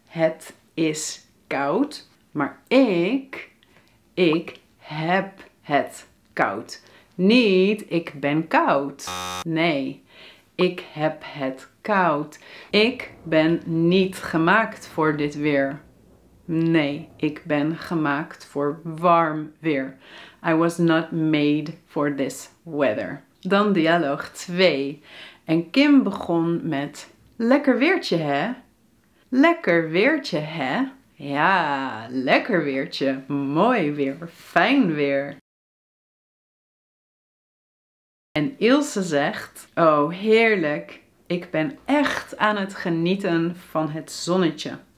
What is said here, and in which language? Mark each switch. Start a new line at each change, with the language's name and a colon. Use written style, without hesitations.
Dutch: Het is koud. Maar ik heb het koud. Niet ik ben koud. Nee, ik heb het koud. Ik ben niet gemaakt voor dit weer. Nee, ik ben gemaakt voor warm weer.
English: I was not made for this weather.
Dutch: Dan dialoog 2. En Kim begon met: lekker weertje, hè? Lekker weertje, hè? Ja, lekker weertje. Mooi weer. Fijn weer. En Ilse zegt: oh, heerlijk. Ik ben echt aan het genieten van het zonnetje.